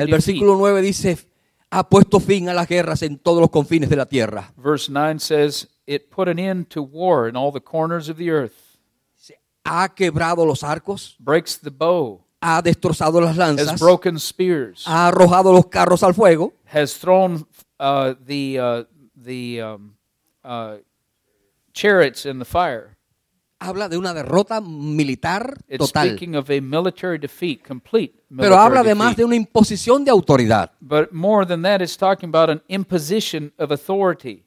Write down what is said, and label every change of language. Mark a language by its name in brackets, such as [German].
[English] defeat. [Spanish] El versículo 9 dice, ha puesto fin a las guerras en todos los confines de la tierra. [English] Verse 9 says, it put an end to war in all the corners of the earth. [Spanish] Ha quebrado los arcos. [English] Breaks the bow. [Spanish] Ha destrozado las lanzas. [English] Has broken spears. [Spanish] Ha arrojado los carros al fuego. [English] Has thrown chariots in the fire. [Spanish] Habla de una derrota militar total. [English] It's speaking of a military defeat, complete military defeat. [Spanish] Pero habla además de una imposición de autoridad. [English] But more than that, it's talking about an imposition of authority.